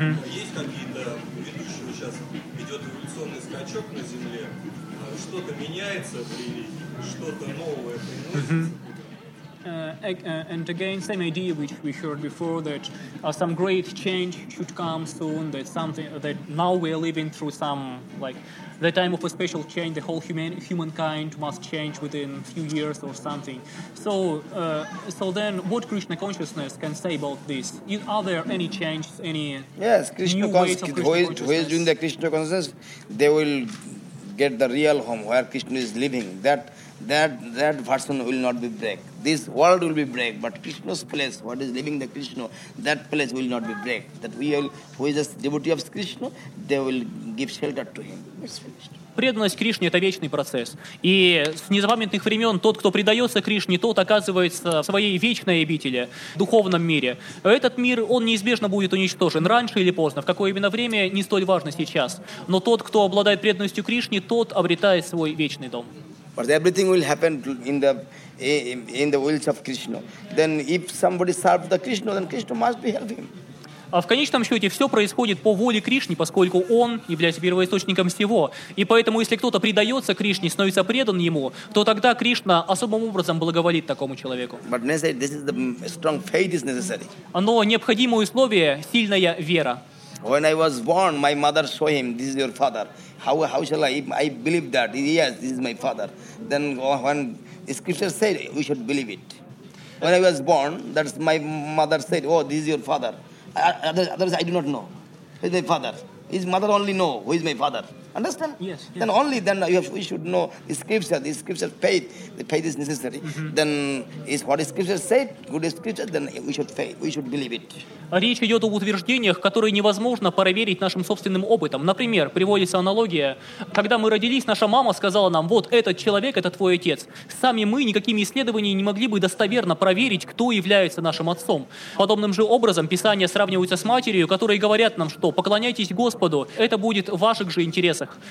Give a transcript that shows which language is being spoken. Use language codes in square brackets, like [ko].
[ru] Есть какие-то ведущие, сейчас идет эволюционный скачок на Земле, что-то меняется в религии, что-то новое приносится. [en] And again, same idea which we heard before, that some great change should come soon, that something that now we are living through some, like, the time of a special change, the whole humankind must change within a few years or something. So then what Krishna consciousness can say about this? Are there any changes, any yes, Krishna new ways of Krishna consciousness? Who is doing the Krishna consciousness, they will get the real home where Krishna is living. That person will not be break. This world will be break, but Krishna's place, what is living the Krishna, that place will not be break. That we all, who is a devotee of Krishna, they will give shelter to him. It's finished. [ru] Преданность Кришне — это вечный процесс. И с незапамятных времен тот, кто предается Кришне, тот оказывается в своей вечной обители, в духовном мире. Этот мир, он неизбежно будет уничтожен, раньше или поздно, в какое именно время, не столь важно сейчас. Но тот, кто обладает преданностью Кришне, тот обретает свой вечный дом. [en] But everything will happen in the wills of Krishna. Then if somebody serves the Krishna, then Krishna must be helping. [ru] А в конечном счете все происходит по воле Кришны, поскольку Он является первоисточником всего. И поэтому, если кто-то предается Кришне, становится предан Ему, то тогда Кришна особым образом благоволит такому человеку. [en] But necessary, this is the strong faith is necessary. [ru] Но необходимое условие – сильная вера. [en] When I was born, my mother saw him, this is your father. How shall I believe that? Yes, this is my father. Then when the scripture said, we should believe it. When I was born, that's my mother said, oh, this is your father. Others I do not know. Who is my father? His mother only know who is my father. Understand? Yes. Then only then we should know the scripture faith. The faith is necessary. Mm-hmm. Then is what the scripture said, good scripture, then we should faith. We should believe it. [ru] Речь идет об утверждениях, которые невозможно проверить нашим собственным опытом. Например, приводится аналогия. Когда мы родились, наша мама сказала нам, вот этот человек, это твой отец. Сами мы никакими исследованиями не могли бы достоверно проверить, кто является нашим отцом. Подобным же образом Писание сравнивается с матерью, которые говорят нам, что поклоняйтесь Господу, это будет в ваших же интересах.